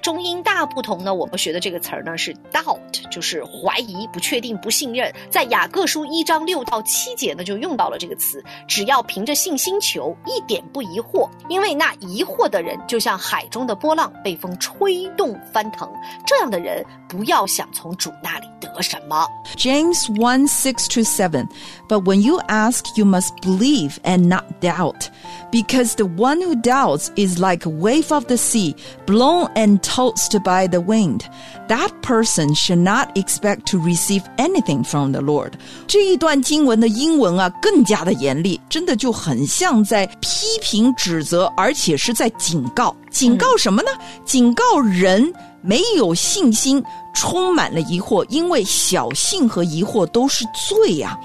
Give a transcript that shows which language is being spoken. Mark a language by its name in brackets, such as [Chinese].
[Chinese] 中英大不同呢，我们学的这个词呢是 doubt， 就是怀疑、不确定、不信任。在雅各书一章六到七节呢，就用到了这个词，只要凭着信心求，一点不疑惑，因为那疑惑的人就像海中的波浪被风吹动翻腾，这样的人不要想从主那里得什么。 [English] James 1:6-7， But when you ask, you must believe and not doubt, becauseThe one who doubts is like a wave of the sea, blown and tossed by the wind. That person should not expect to receive anything from the Lord. [Chinese] 这一段经文的英文啊，更加的严厉，真的就很像在批评、指责，而且是在警告。警告什么呢？警告人没有信心，充满了疑惑，因为小信和疑惑都是罪啊。